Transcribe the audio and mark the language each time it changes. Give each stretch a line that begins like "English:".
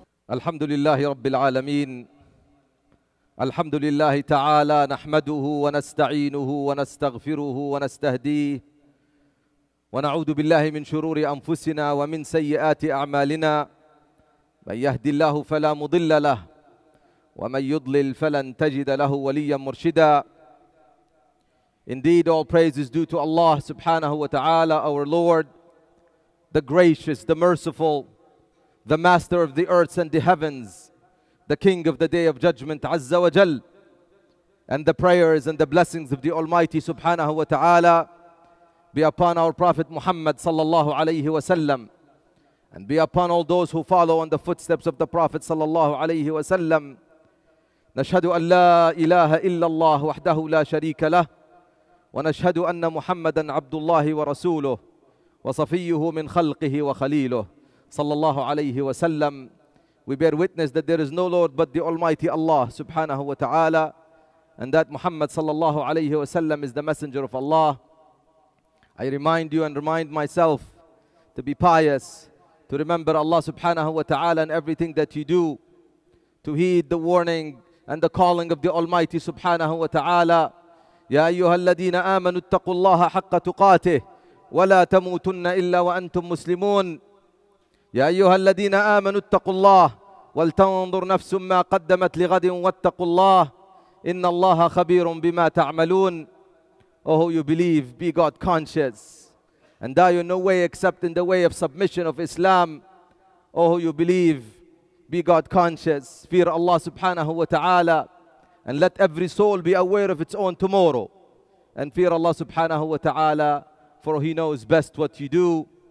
Arabic: الحمد لله رب العالمين الحمد لله تعالى نحمده ونستعينه ونستغفره ونستهديه ونعوذ بالله من شرور أنفسنا ومن سيئات أعمالنا من يهدي الله فلا مضل له ومن يضلل فلن تجد له وليا مرشدا.
English: Indeed, all praise is due to Allah subhanahu wa ta'ala, our Lord, the gracious, the merciful, the master of the earths and the heavens, the king of the day of judgment, azza wa jal. And the prayers and the blessings of the Almighty subhanahu wa ta'ala be upon our Prophet Muhammad sallallahu alayhi wa sallam, and be upon all those who follow in the footsteps of the Prophet sallallahu alayhi wa sallam.
Arabic: Nashhadu an la ilaha illallah wahdahu la sharika lah, ونشهد أن محمدًا عبد الله ورسوله وصفيه من خلقه وخليله صلى الله عليه وسلم.
English: We bear witness that there is no Lord but the Almighty Allah subhanahu wa ta'ala, and that Muhammad صلى الله عليه وسلم is the messenger of Allah. I remind you and remind myself to be pious, to remember Allah subhanahu wa ta'ala and everything that you do, to heed the warning and the calling of the Almighty subhanahu wa ta'ala.
Arabic: يا أيها الذين آمنوا اتقوا الله حق تقاته ولا تموتن إلا وأنتم مسلمون. يا أيها الذين آمنوا اتقوا الله ولتنظر نفس ما قدمت لغد واتقوا الله إن الله خبير بما تعملون.
English: Oh, who you believe, be God conscious and die in no way except in the way of submission of Islam. Oh, who you believe, be God conscious, fear Allah subhanahu wa ta'ala, and let every soul be aware of its own tomorrow, and fear Allah subhanahu wa ta'ala, for He knows best what you do.